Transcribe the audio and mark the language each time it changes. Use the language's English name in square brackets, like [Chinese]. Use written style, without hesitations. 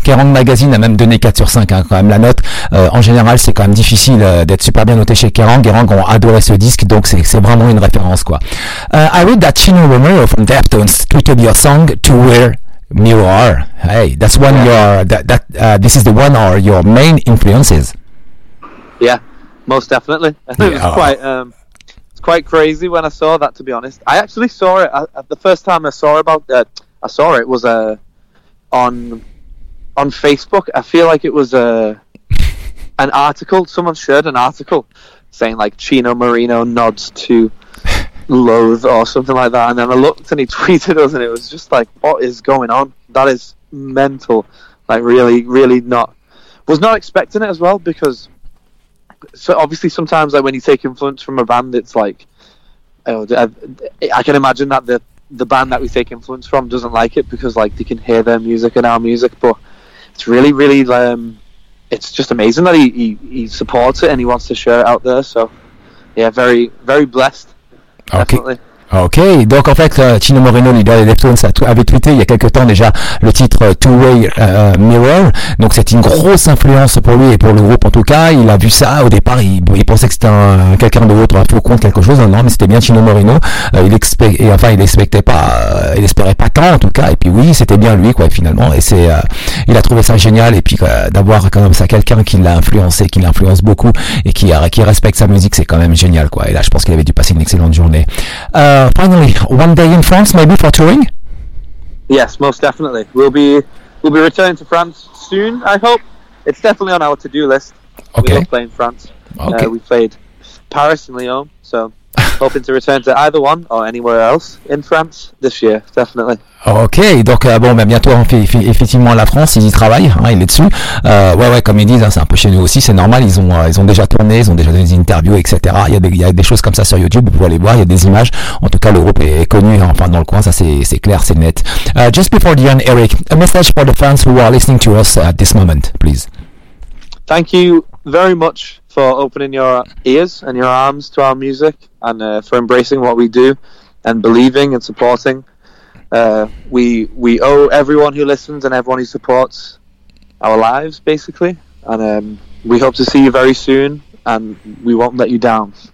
[French] Kerrang Magazine a même donné 4 sur 5, hein, quand même, la note. En général, c'est quand même difficile d'être super bien noté chez Kerrang. Kerrang ont adoré ce disque, donc c'est vraiment une référence, quoi. [English] I read that Chino Romero from Deftones tweeted your song to where you are. Hey, that's one yeah. This is the one or your main influences. Yeah, most definitely. Yeah. It's quite crazy when I saw that, to be honest. I actually saw it, the first time I saw about that, I saw it was a, on Facebook. I feel like it was an article, someone shared an article saying like Chino Marino nods to Loathe or something like that, and then I looked and he tweeted us and it was just like, what is going on? That is mental. Like really, really was not expecting it as well, because so obviously sometimes like when you take influence from a band, it's like I can imagine that the band that we take influence from doesn't like it, because like they can hear their music and our music, but it's really really it's just amazing that he supports it and he wants to share it out there, so yeah, very very blessed. Definitely. Okay. [French] Ok, donc en fait, Chino Moreno, leader des Deftones, avait tweeté il y a quelques temps déjà le titre Two-Way Mirror, donc c'est une grosse influence pour lui et pour le groupe en tout cas. Il a vu ça au départ, il pensait que c'était quelqu'un d'autre, un faucon, quelque chose, non, mais c'était bien Chino Moreno, il espérait pas tant en tout cas, et puis oui, c'était bien lui, quoi, finalement, et c'est, il a trouvé ça génial, et puis d'avoir quand même ça, quelqu'un qui l'a influencé, qui l'influence beaucoup, et qui respecte sa musique, c'est quand même génial, quoi, et là, je pense qu'il avait dû passer une excellente journée. [English] Finally, one day in France, maybe for touring. Yes, most definitely. We'll be returning to France soon. I hope it's definitely on our to-do list. Okay. We love playing France. Okay. We played Paris and Lyon, so hoping to return to either one or anywhere else in France this year, definitely. [French] Ok, donc bon, ben bientôt on fait effectivement la France, ils y travaillent, hein, il est dessus. Ouais, comme ils disent, hein, c'est un peu chez nous aussi, c'est normal. Ils ont déjà tourné, ils ont déjà donné des interviews, etc. Il y a des choses comme ça sur YouTube, vous pouvez aller voir. Il y a des images. En tout cas, le groupe est connu, hein, enfin dans le coin, ça c'est clair, c'est net. [English] Just before the end, Eric, a message for the fans who are listening to us at this moment, please. Thank you very much for opening your ears and your arms to our music, and for embracing what we do and believing and supporting. We owe everyone who listens and everyone who supports our lives, basically, and we hope to see you very soon, and we won't let you down.